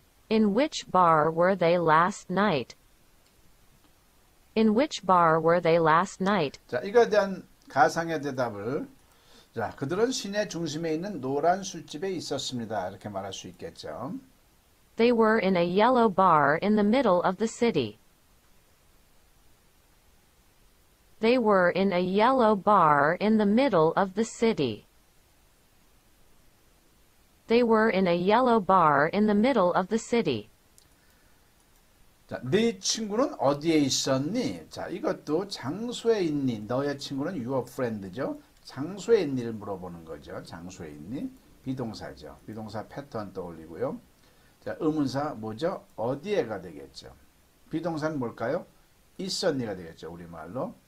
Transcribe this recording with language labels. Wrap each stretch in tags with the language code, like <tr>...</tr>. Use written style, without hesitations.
<en>In which bar were they last night? In which bar were they last night?</en> <ko>자, 이거에 대한 가상의 대답을, 자, 그들은 시내 중심에 있는 노란 술집에 있었습니다. 이렇게 말할 수 있겠죠.</ko> <en>They were in a yellow bar in the middle of the city. They were in a yellow bar in the middle of the city. They were in a yellow bar in the middle of the city.</en> <ko>자, 네 친구는 어디에 있었니? 자, 이것도 장소에 있니? 너의 친구는</ko> <en>your friend</en> <ko>죠? 장소에 있니를 물어보는 거죠. 장소에 있니? 비동사죠. 비동사 패턴 떠올리고요. 자, 의문사 뭐죠? 어디에가 되겠죠. 비동사는 뭘까요? 있었니가 되겠죠. 우리말로.</ko>